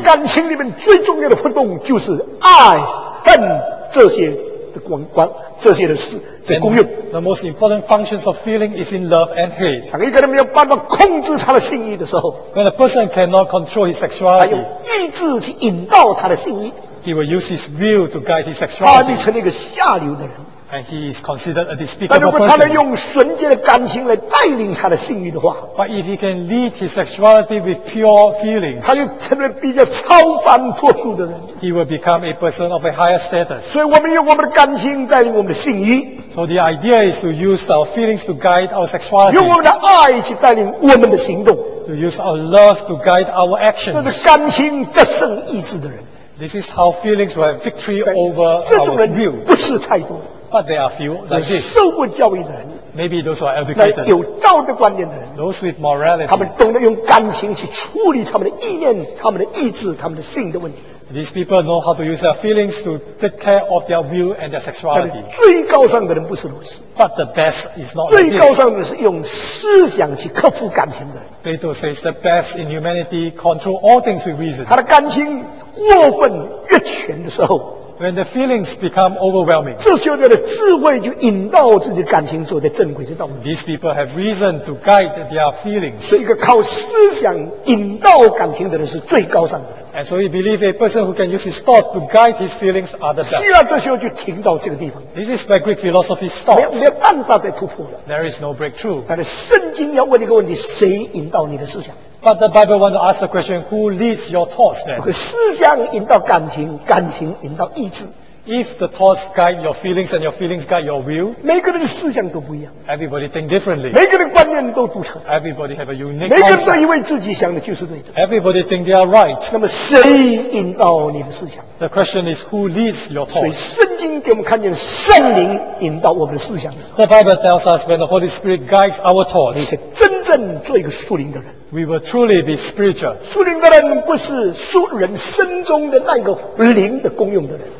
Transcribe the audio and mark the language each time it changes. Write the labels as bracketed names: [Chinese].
[Chinese] 感情里面最重要的活动就是爱、恨这些的关这些的事的功用。 [English] The most important functions of feeling is in love and hate. [Chinese] 当一个人没有办法控制他的性欲的时候 [English] ，When a person cannot control his sexuality, [Chinese] 他用意志去引导他的性欲。 [English] He will use his will to guide his sexuality. [Chinese] 他就成了一个下流的人。 [English] And he is considered a despicable person. [Chinese] 但如果他能用纯洁的感情来带领他的性欲的话 [English] ，But if he can lead his sexuality with pure feelings, [Chinese] 他就成为比较超凡脱俗的人。 [English] He will become a person of a higher status. [Chinese] 所以我们用我们的感情带领我们的性欲。 [English] So the idea is to use our feelings to guide our sexuality. [Chinese] 用我们的爱去带领我们的行动。 [English] To use our love to guide our actions. [Chinese] 这是感情战胜意志的人。 [English] This is how feelings will have victory over our will. [Chinese] 这种人不是太多。 [English] But there are few like this. [Chinese] 受过教育的人 [English] ，maybe those who are educated. [Chinese] 那有道德观念的人 [English] ，those with morality. [Chinese] 他们懂得用感情去处理他们的意念、他们的意志、他们的性的问题。 [English] These people know how to use their feelings to take care of their will and their sexuality. [Chinese] 最高尚的人不是如此。 [English] But the best is not. [Chinese] 最高尚的是用思想去克服感情的人。 [English] Plato says the best in humanity control all things with reason. [Chinese] 他的感情过分越权的时候。 [English] When the feelings become overwhelming, [Chinese] 这些人的智慧就引导自己的感情走在正轨的道路。 [English] These people have reason to guide their feelings. [Chinese] 是一个靠思想引导感情的人是最高尚的人。 [English] And so we believe a person who can use his thought to guide his feelings are the best. [Chinese] 希腊哲学就停到这个地方。 [English] This is where Greek philosophy stops. [Chinese] 没有办法再突破了。 [English] There is no breakthrough. [Chinese] 但是圣经要问一个问题：谁引导你的思想？ [English] But the Bible wants to ask the question, who leads your thoughts then? [Chinese] 思想引导感情，感情引导意志。 [English] If the thoughts guide your feelings and your feelings guide your will, [Chinese] 每个人的思想都不一样。 [English] Everybody think differently. [Chinese] 每个人观念都独特。 [English] Everybody have a unique concept. [Chinese] 每个人都以为自己想的就是对的。 [English] Everybody think they are right. [Chinese] 那么谁引导你的思想？ [English] The question is who leads your thoughts? [Chinese] 所以圣经给我们看见圣灵引导我们的思想的时候。 [English] The Bible tells us when the Holy Spirit guides our thoughts. [Chinese] 你是真正做一个属灵的人。 [English] We will truly be spiritual. [Chinese] 属灵的人不是属人身中的那个灵的功用的人。